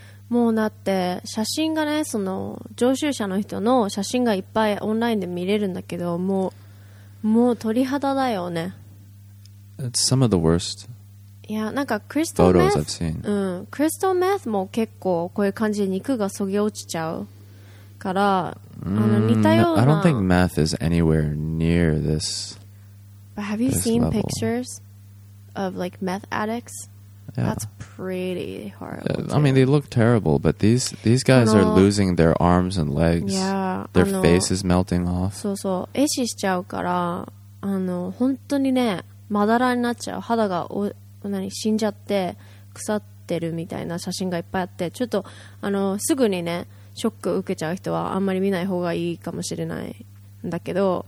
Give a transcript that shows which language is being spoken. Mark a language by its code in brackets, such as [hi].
[ja] もうだって写真がね、その常習者の人の写真がいっぱいオンラインで見れるんだけど、もう鳥肌だよね。 [en] It's some of the worst photos I've seen. [ja] Crystal meth も結構こういう感じで肉がそげ落ちちゃうから、似たような。 [en] I don't think meth is anywhere near this. But have you seen level. Pictures of like meth addicts? Yeah. That's pretty horrible. Yeah, I mean, they look terrible, but these guys are losing their arms and legs. Yeah. Their face is melting off. [ja] そうそう、壊死しちゃうから、本当にね。まだらになっちゃう、肌が何死んじゃって腐ってるみたいな写真がいっぱいあって、ちょっとあのすぐにねショック受けちゃう人はあんまり見ない方がいいかもしれないんだけど、